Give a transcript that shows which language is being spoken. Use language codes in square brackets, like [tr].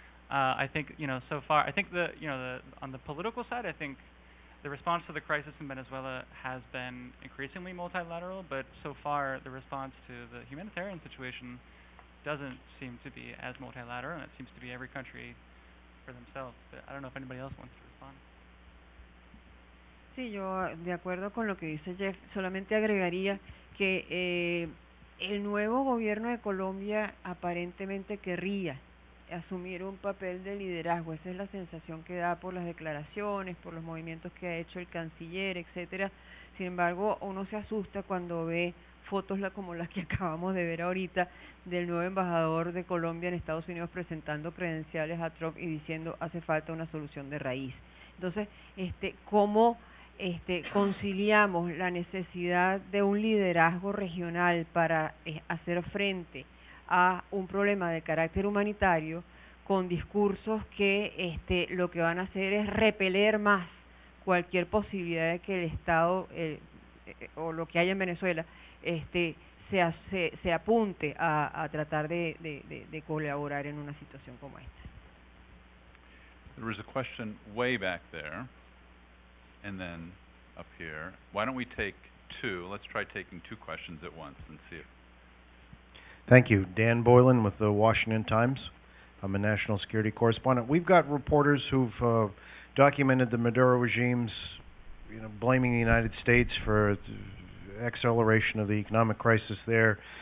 [en] I think, you know, so far, I think the, you know, the on the political side, I think the response to the crisis in Venezuela has been increasingly multilateral, but so far the response to the humanitarian situation doesn't seem to be as multilateral, and it seems to be every country for themselves. But I don't know if anybody else wants to respond. [es] Sí, yo de acuerdo con lo que dice Jeff, solamente agregaría que el nuevo gobierno de Colombia aparentemente querría asumir un papel de liderazgo. Esa es la sensación que da por las declaraciones, por los movimientos que ha hecho el canciller, etcétera. Sin embargo, uno se asusta cuando ve fotos como las que acabamos de ver ahorita del nuevo embajador de Colombia en Estados Unidos presentando credenciales a Trump y diciendo hace falta una solución de raíz. Entonces, ¿cómo conciliamos la necesidad de un liderazgo regional para hacer frente a un problema de carácter humanitario con discursos que lo que van a hacer es repeler más cualquier posibilidad de que el Estado o lo que haya en Venezuela se apunte a tratar de colaborar en una situación como esta? [en] There was a question way back there and then up here. Why don't we take two? Let's try taking two questions at once and see if. Thank you. Dan Boylan with the Washington Times. I'm a national security correspondent. We've got reporters who've documented the Maduro regime's, you know, blaming the United States for acceleration of the economic crisis there.